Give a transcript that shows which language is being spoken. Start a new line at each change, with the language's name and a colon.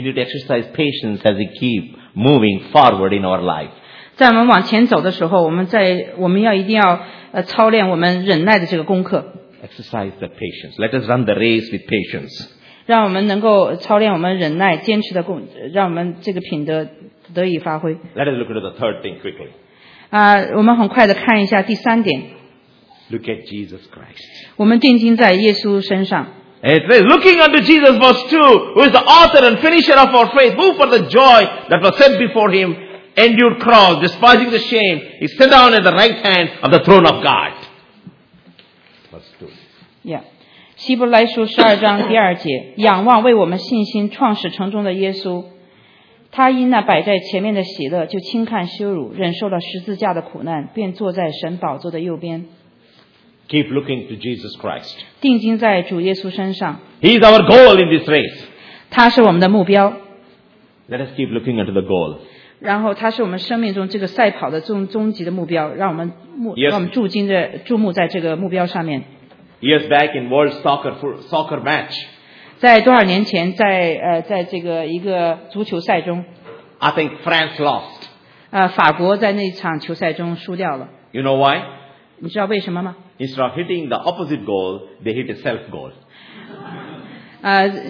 English: need to exercise patience as we keep moving forward in our life.
Chinese: 在我们往前走的时候，我们要一定要操练我们忍耐的这个功课。
English: Exercise the patience. Let us run the race with patience.
Chinese: 让我们能够操练我们忍耐坚持的功，让我们这个品德得以发挥。
English: Let us look at the third thing quickly.
Chinese: 我们很快的看一下第三点。
English: Look at Jesus Christ.
Chinese: 我们定睛在耶稣身上。
English: Looking unto Jesus, verse 2, who is the author and finisher of our faith, who for the joy that was set before him, endured cross, despising the shame, he sat down at the right hand of the throne of God. Verse 2. Yeah.
Chinese: 希伯来书12章第2节, 仰望为我们信心创始成终的耶稣, 他因那摆在前面的喜乐就轻看羞辱, 忍受了十字架的苦难, 便坐在神宝座的右边。
English: Keep looking to Jesus Christ.
Chinese: 定睛在主耶稣身上。
English: He is our goal in this race.
Chinese: 他是我们的目标。
English: Let us keep looking unto the goal.
Chinese: 然后他是我们生命中这个赛跑的终极的目标。让我们注目在这个目标上面。
English: Years back in world soccer match.
Chinese: 在多少年前在这个一个足球赛中。
English: I think France lost.
Chinese: 法国在那场球赛中输掉了。
English: You know why?
Chinese: 你知道为什么吗？
English: Instead of hitting the opposite goal, they hit a self goal.